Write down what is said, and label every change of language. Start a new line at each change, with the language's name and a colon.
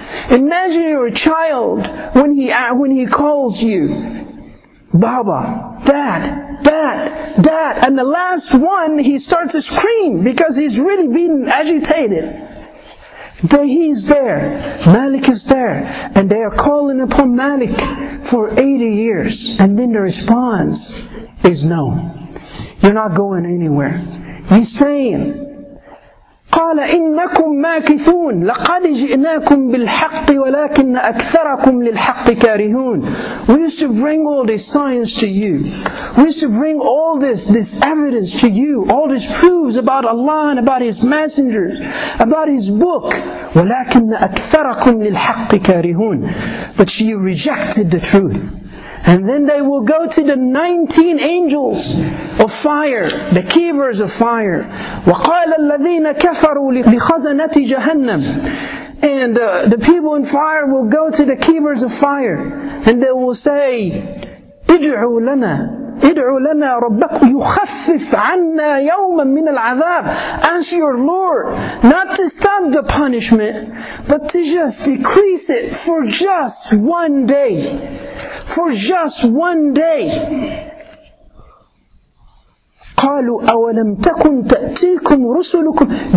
English: Imagine you're a child when he calls you, Baba, Dad, Dad, Dad, and the last one, he starts to scream because he's really being agitated. Then he's there, Malik is there, and they are calling upon Malik for 80 years. And then the response is no. You're not going anywhere. He's saying,
Arabic: قَالَ إِنَّكُمْ مَاكِثُونَ لَقَدْ جِئْنَاكُمْ بِالْحَقِّ وَلَكِنَّ أَكْثَرَكُمْ لِلْحَقِّ كَارِهُونَ.
English: We used to bring all this science to you. We used to bring all this evidence to you, all these proofs about Allah and about His messenger, about His book.
Arabic: وَلَكِنَّ أَكْثَرَكُمْ لِلْحَقِّ كَارِهُونَ.
English: But you rejected the truth. And then they will go to the 19 angels of fire, the keepers of fire.
Arabic: وَقَالَ الَّذِينَ كَفَرُوا لِخَزَنَةِ جَهَنَّمْ.
English: And the people in fire will go to the keepers of fire. And they will say,
Arabic: اِدْعُوا لَنَا رَبَّكُ يُخَفِّفْ عَنَّا يَوْمًا مِنَ الْعَذَابِ.
English: Ask your Lord not to stop the punishment, but to just decrease it for just one day. For just one day.
Arabic: قَالُوا أَوَلَمْ تَكُنْ تَأْتِيكُمْ رُسُلُكُمْ.